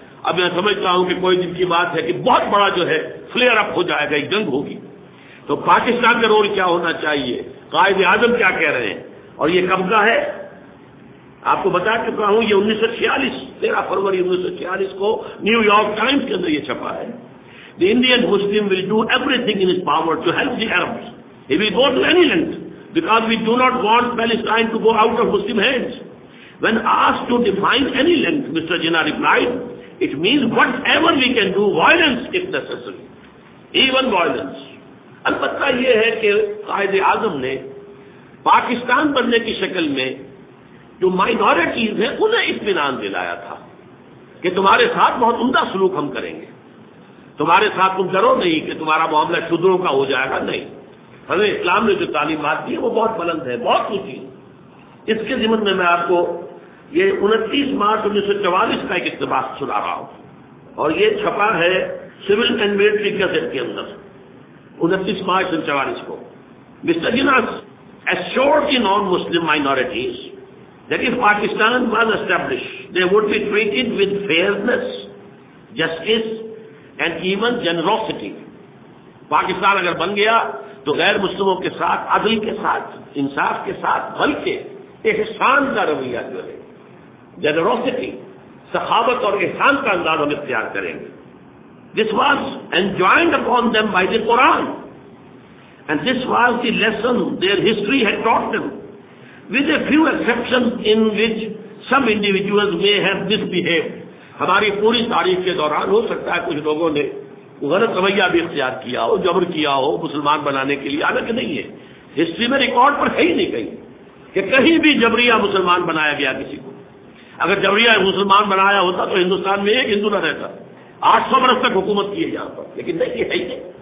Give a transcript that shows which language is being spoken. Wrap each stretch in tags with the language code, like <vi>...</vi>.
<ur>اب میں سمجھتا ہوں کہ کوئی دن کی بات ہے کہ بہت بڑا جو ہے فلیئر اپ ہو جائے گا ایک جنگ ہوگی. تو پاکستان کا رول کیا ہونا چاہیے قائد اعظم کیا کہہ رہے ہیں اور یہ کب کا ہے آپ کو بتا چکا ہوں یہ 1946 13 فروری 1946 کو نیو یارک ٹائمز کے اندر یہ چھپا ہے.</ur> <en>The Indian Muslim will do everything in his power to help the Arabs. He will go to any length because we do not want Palestine to go out of Muslim hands. When asked to define any length, Mr. Jinnah replied, it means whatever we can do, violence if necessary. Even violence.</en> <ur>البتہ یہ ہے کہ قائد اعظم نے پاکستان بننے کی شکل میں جو مائنورٹیز ہیں انہیں اطمینان دلایا تھا کہ تمہارے ساتھ بہت عمدہ سلوک ہم کریں گے. تمہارے ساتھ تم ڈرو نہیں کہ تمہارا معاملہ شدروں کا ہو جائے گا. نہیں, ہمیں اسلام نے جو تعلیمات دی ہیں وہ بہت بلند ہے بہت اونچی. اس کے ضمن میں آپ کو یہ 29 مارچ 1944 کا ایک اقتباس سنا رہا ہوں اور یہ چھپا ہے سول اینڈ ملٹری گزٹ کے اندر. 29 مارچ 1944 کو mister Jinnah</ur> <en>assured the non-Muslim minorities that if Pakistan was established, they would be treated with fairness, justice and even generosity.</en> <ur>Pakistan اگر بن گیا تو غیر مسلموں کے ساتھ عدل کے ساتھ انصاف کے ساتھ بلکہ احسان کا رویہ جو ہے generosity سخاوت اور احسان کا انداز ہم اختیار کریں گے.</ur> <en>This was enjoined upon them by the Quran. And this was the lesson their history had taught them, with a few exceptions in which some individuals may have misbehaved.</en> <ur>ہماری پوری تاریخ کے دوران ہو سکتا ہے کچھ لوگوں نے غلط رویہ بھی اختیار کیا ہو, جبر کیا ہو مسلمان بنانے کے لیے, حالانکہ نہیں ہے, ہسٹری میں ریکارڈ پر ہے ہی نہیں کہیں کہ کہیں بھی جبریہ مسلمان بنایا گیا کسی کو. اگر جبریہ مسلمان بنایا ہوتا تو ہندوستان میں ایک ہندو نہ رہتا, 800 برس تک حکومت کیے یہاں پر, لیکن نہیں ہے ہی.</ur>